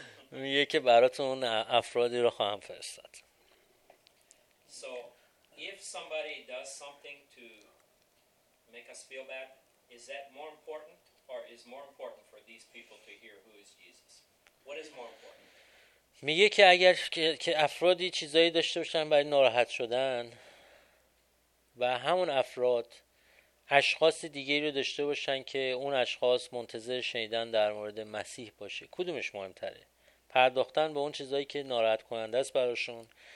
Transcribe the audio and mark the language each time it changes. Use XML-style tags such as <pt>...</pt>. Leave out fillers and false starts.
<fa>میگه که براتون افرادی رو خواهم فرستاد.</fa> <en>So, if somebody does something to make us feel bad, is that more important, or is more important for these people to hear who is Jesus? What is more important?</en> <fa>میگه که اگر که افرادی چیزایی داشته باشن برای ناراحت شدن و همون افراد اشخاص دیگری رو داشته باشن که اون اشخاص منتظر شنیدن در مورد مسیح باشه، کدومش مهمتره؟ پرداختن به اون چیزایی که ناراحت کننده است براشون</fa>